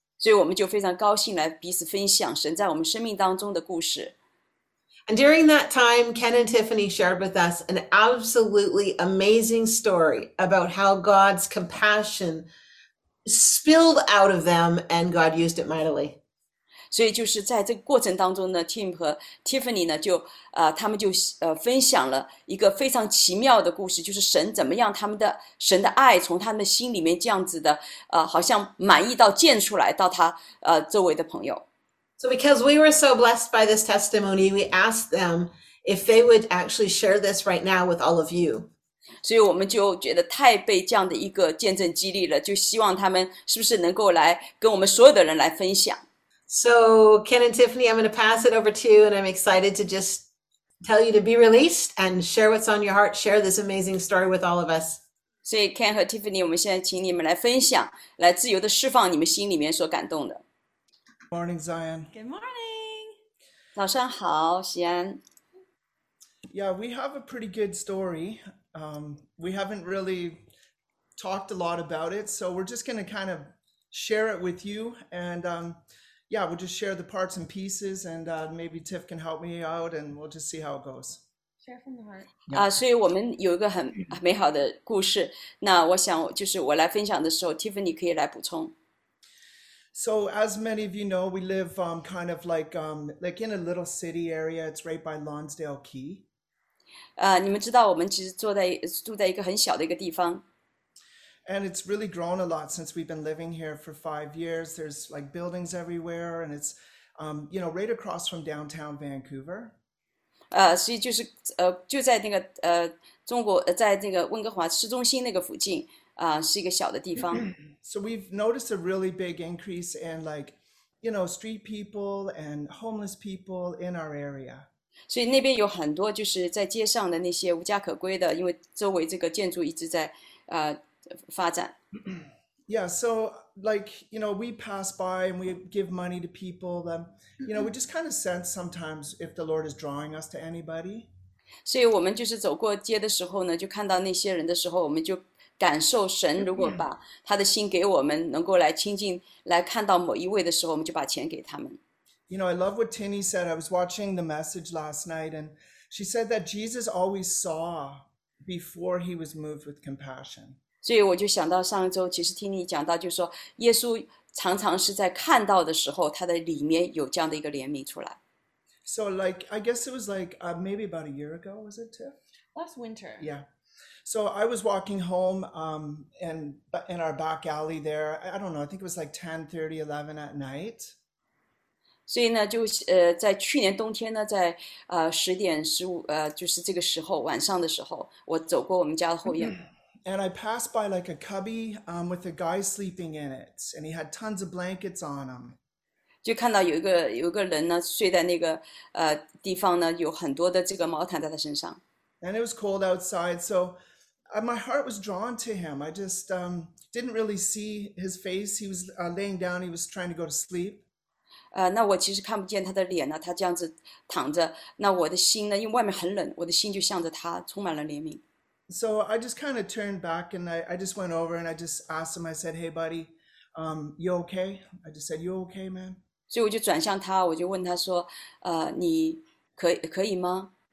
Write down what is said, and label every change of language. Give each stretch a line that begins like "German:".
Chinese: 所以我们就非常高兴来彼此分享神在我们生命当中的故事。
English: And during that time, Ken and Tiffany shared with us an absolutely amazing story about how God's compassion spilled out of them and God used it mightily.
Chinese: 所以就是在这个过程当中呢，Tim 和 Tiffany 呢，就他们就分享了一个非常奇妙的故事，就是神怎么样，神的爱从他们心里面这样子的，好像满溢到溅出来，到他周围的朋友。
English: So, because we were so blessed by this testimony, we asked them if they would actually share this right now with all of you.
Chinese: 所以我们就觉得太被这样的一个见证激励了，就希望他们是不是能够来跟我们所有的人来分享。
English: So, Ken and Tiffany, I'm going to pass it over to you, and I'm excited to just tell you to be released and share what's on your heart, share this amazing story with all of us.
Chinese: 所以 Ken 和 Tiffany，我们现在请你们来分享，来自由地释放你们心里面所感动的。
English: Morning, Zion. Good morning.
Chinese: 早上好，西安。
English: Yeah, we have a pretty good story. We haven't really talked a lot about it, so we're just going to kind of share it with you. And yeah, we'll just share the parts and pieces, and maybe Tiff can help me out, and we'll just see how it goes. Share from the heart.
Chinese: 所以我们有一个很美好的故事。那我想，就是我来分享的时候，Tiffany 可以来补充。
English: So, as many of you know, we live kind of like in a little city area. It's right by Lonsdale Key.
Chinese: 你们知道，我们其实住在一个很小的一个地方。
English: And it's really grown a lot since we've been living here for 5 years. There's like buildings everywhere, and it's right across from downtown Vancouver.
Chinese: 所以就是就在那个中国，在那个温哥华市中心那个附近是一个小的地方。
English: So we've noticed a really big increase in street people and homeless people in our area.
Chinese: 所以那边有很多就是在街上的那些无家可归的，因为周围这个建筑一直在发展。
English: Yeah, so we pass by and we give money to people. We just kind of sense sometimes if the Lord is drawing us to anybody.
Chinese: 所以我们就是走过街的时候呢，就看到那些人的时候，我们就感受神如果把他的心给我们，能够来亲近，来看到某一位的时候，我们就把钱给他们。
English: I love what Tini said. I was watching the message last night, and she said that Jesus always saw before he was moved with compassion.
Chinese: 所以我就想到上周，其实听你讲到，就是说耶稣常常是在看到的时候，他的里面有这样的一个怜悯出来。
English: So, like, I guess it was maybe about a year ago, was it, Tiff? Last winter. Yeah. So I was walking home in our back alley there. I don't know, I think it was like 10:30, 11 at night.
Chinese: 所以呢，就在去年冬天呢，在10:15，就是这个时候晚上的时候，我走过我们家的后院。
English: And I passed by like a cubby, with a guy sleeping in it, and he had tons of blankets on him.
Chinese: 就看到有一个人呢，睡在那个地方呢，有很多的这个毛毯在他身上。
English: And it was cold outside, so my heart was drawn to him. I just didn't really see his face. He was laying down, he was trying to go to sleep.
Chinese: 那我其实看不见他的脸呢，他这样子躺着，那我的心呢，因为外面很冷，我的心就向着他充满了怜悯。
English: So I just kind of turned back and I just went over and I just asked him, I said, hey, buddy, you okay? I just said, you okay, man?
Chinese: 所以我就转向他，我就问他说：“你可以吗